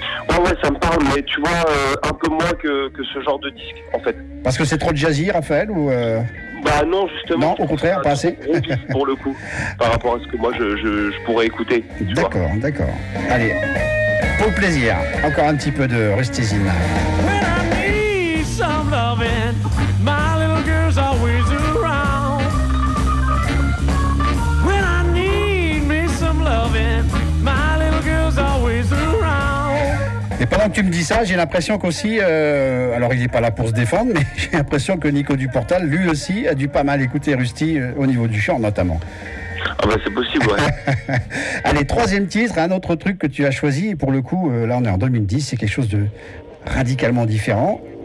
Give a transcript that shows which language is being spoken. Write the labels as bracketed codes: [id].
[fr] Ouais, ça me parle, mais tu vois, un peu moins que ce genre de disque, en fait. Parce que c'est trop jazzy, Raphaël, ou. Bah non, justement. Non, au contraire, pas assez. Pour le coup, par rapport à ce que moi je pourrais écouter. D'accord. Allez. Au plaisir, encore un petit peu de Rustizine. [en] When I need some loving, my little girl's always around. When I need me some loving, my little girl's always around. [fr] Et pendant que tu me dis ça, j'ai l'impression qu'aussi, alors il n'est pas là pour se défendre, mais j'ai l'impression que Nico Duportal, lui aussi, a dû pas mal écouter Rusty au niveau du chant notamment. Ah bah c'est possible, ouais. Allez, troisième titre, un autre truc que tu as choisi, et pour le coup, là on est en 2010, c'est quelque chose de radicalement différent.